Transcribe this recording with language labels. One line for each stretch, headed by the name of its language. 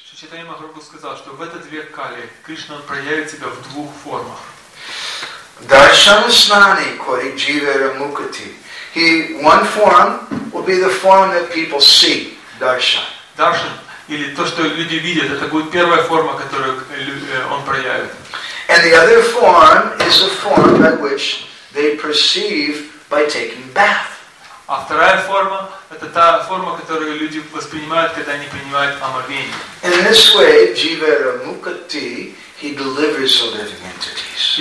Russian: Шри Чайтанья Махапрабху сказал, что в этот век Кали Кришна проявит себя в двух формах.
Bangla: Даршан снани кори дживера мукати.
English: He one form will be the form that people see.
Russian: Даршан. Даршан или то, что люди видят, это будет первая форма, которую он проявит.
English: And the other form is a form by which they perceive by taking bath.
Russian: А вторая форма – это та форма, которую люди воспринимают, когда они принимают омовение.
English: In this way, Jivara Mukati, he delivers the living entities.